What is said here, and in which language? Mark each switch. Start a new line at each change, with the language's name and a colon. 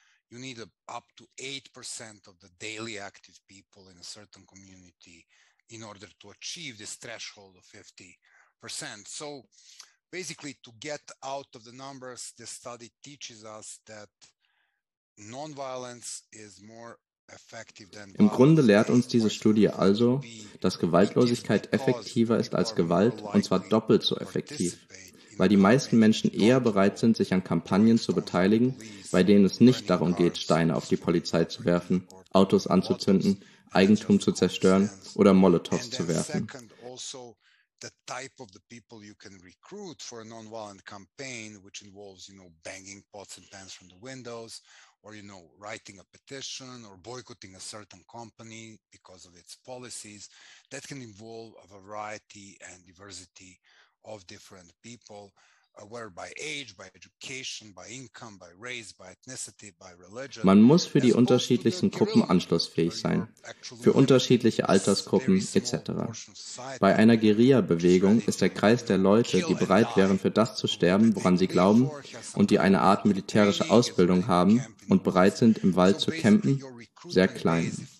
English: You need up to 8% of the daily active people in a certain community in order to achieve this threshold of 50%. So basically, to get out of the numbers, this study teaches us that nonviolence is more effective than violence.
German: Im Grunde lehrt uns diese Studie also, dass Gewaltlosigkeit effektiver ist als Gewalt, und zwar doppelt so effektiv, weil die meisten Menschen eher bereit sind, sich an Kampagnen zu beteiligen, bei denen es nicht darum geht, Steine auf die Polizei zu werfen, Autos anzuzünden, Eigentum zu zerstören oder Molotows zu werfen.
English: The type of the people you can recruit for a nonviolent campaign, which involves, you know, banging pots and pans from the windows, or, you know, writing a petition or boycotting a certain company because of its policies, that can involve a variety and diversity of different people, where by age, by education, by income, by race, by ethnicity, by religion.
German: Man muss für die unterschiedlichsten Gruppen anschlussfähig sein, für unterschiedliche Altersgruppen etc. Bei einer Guerilla-Bewegung ist der Kreis der Leute, die bereit wären, für das zu sterben, woran sie glauben, und die eine Art militärische Ausbildung haben und bereit sind, im Wald zu campen, sehr klein.